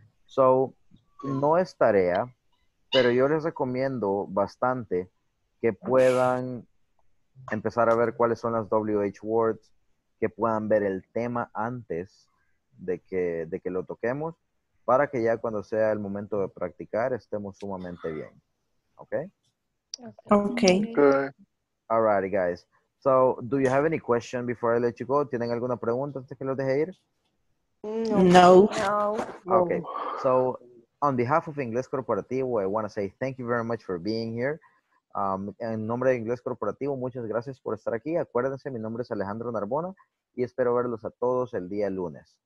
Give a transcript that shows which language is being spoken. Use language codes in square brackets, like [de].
[es] So, no es tarea, pero yo les recomiendo bastante que puedan empezar a ver cuáles son las WH words, que puedan ver el tema antes de que lo toquemos, para que ya cuando sea el momento de practicar estemos sumamente bien. [en] Okay? Okay. Okay. All right, guys. So, do you have any question before I let you go? [es] ¿Tienen alguna pregunta antes que los deje ir? No. No. [en] Okay. So, on behalf of Inglés Corporativo, I want to say thank you very much for being here. [es] En nombre de Inglés Corporativo, muchas gracias por estar aquí. Acuérdense, mi nombre es Alejandro Narbona y espero verlos a todos el día lunes.